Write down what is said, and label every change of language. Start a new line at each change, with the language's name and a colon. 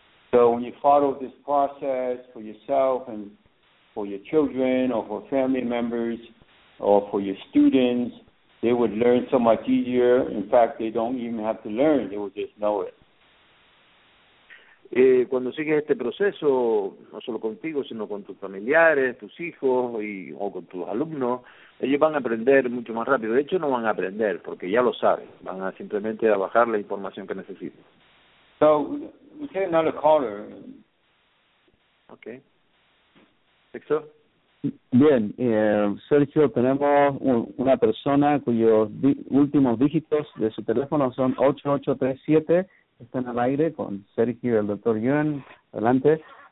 English: So when you follow this process for yourself and for your children or for family members or for your students, they would learn so much easier. In fact, they don't even have to learn, they would just know it.
Spanish: Cuando sigues este proceso, no solo contigo, sino con tus familiares, tus hijos o con tus alumnos, ellos van a aprender mucho más rápido. De hecho, no van a aprender, porque ya lo saben. Van a simplemente a bajar la información que necesitan.
English: So, we have another caller. Okay.
Spanish: ¿Sexo? Bien, Sergio, tenemos una persona cuyos últimos dígitos de su teléfono son 8837. Están al aire con Sergio y el doctor Yuen. Adelante.